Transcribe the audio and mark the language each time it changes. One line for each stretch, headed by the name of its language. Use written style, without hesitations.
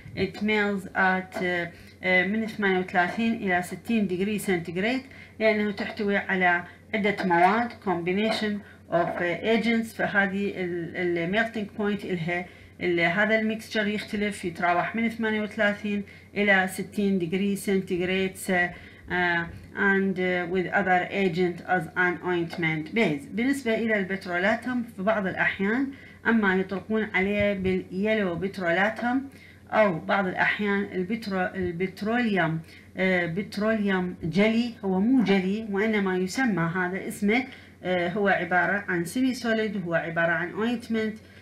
Arabic: it melts at من 38 الى 60 ديجري سنتيغريد، لانه تحتوي على عدة مواد combination of agents، فهذه ال melting point الها هذا الميكستشر يختلف، يتراوح من 38 الى 60 ديجري سنتيغريد.
English: and with other agent as an ointment base.
Arabic: بالنسبة الى البترولاتهم في بعض الاحيان اما يطلقون عليه باليلو بترولاتهم، او بعض الاحيان البتروليوم بتروليوم جلي، هو مو جلي وانما يسمى هذا اسمه، هو عبارة عن سيمي سوليد، هو عبارة عن اوينتمنت